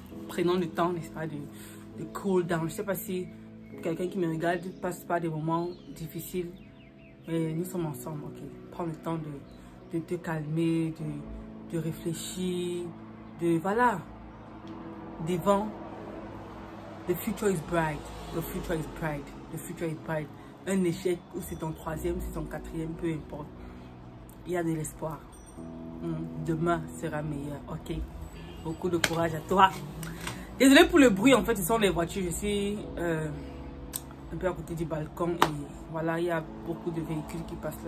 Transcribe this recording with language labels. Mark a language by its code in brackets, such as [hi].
[fr] Prenons le temps, n'est-ce pas, de [en] cool down. [fr] Je ne sais pas si quelqu'un qui me regarde passe par des moments difficiles, mais nous sommes ensemble, ok? Prends le temps de te calmer, de réfléchir, de, voilà, devant. [en] The future is bright, the future is bright, the future is bright. [fr] Un échec, ou c'est ton troisième, c'est ton quatrième, peu importe. Il y a de l'espoir. Demain sera meilleur, ok? Beaucoup de courage à toi. Désolée pour le bruit, en fait, ce sont les voitures. Je suis un peu à côté du balcon et voilà, il y a beaucoup de véhicules qui passent là.